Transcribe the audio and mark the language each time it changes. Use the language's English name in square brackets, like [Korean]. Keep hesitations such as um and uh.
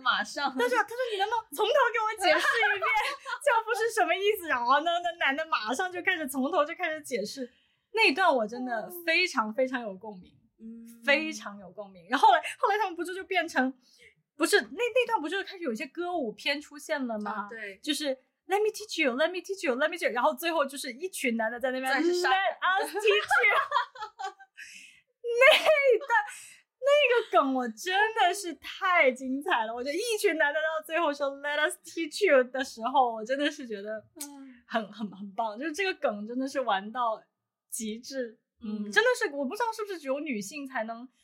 [Chinese] 马上，他说：“他说你能不能从头给我解释一遍《教父》是什么意思？” 然后那那男的马上就开始从头就开始解释，那一段我真的非常非常有共鸣，嗯、非常有共鸣。然后来后来他们不就就变成。不是那那段，不就是开始有些歌舞片出现了吗？啊、对，就是 [English] Let me teach you, Let me teach you, Let me teach you， [Chinese] 然后最后就是一群男的在那边 [English] Let us teach you 那。 [Chinese] 那段那个梗我真的是太精彩了，我觉得一群男的到最后说 [English] Let us teach you [Chinese] 的时候，我真的是觉得很很很棒，就是这个梗真的是玩到极致，嗯，嗯真的是我不知道是不是只有女性才能。